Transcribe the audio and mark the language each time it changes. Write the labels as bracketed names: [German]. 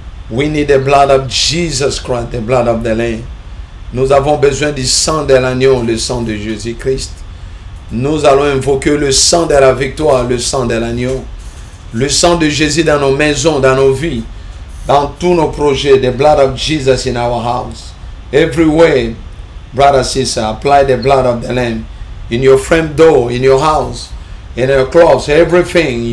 [English] We need the blood of Jesus Christ, the blood of the Lamb. [French] Nous avons besoin du sang de l'agneau, le sang de Jésus-Christ. Nous allons invoquer le sang de la victoire, le sang de l'agneau. Le sang de Jésus dans nos maisons, dans nos vies, dans tous nos projets. [English] The blood of Jesus in our house. Everywhere. Brother, sister, apply the blood of the Lamb in your front door, in your house, in your clothes, everything.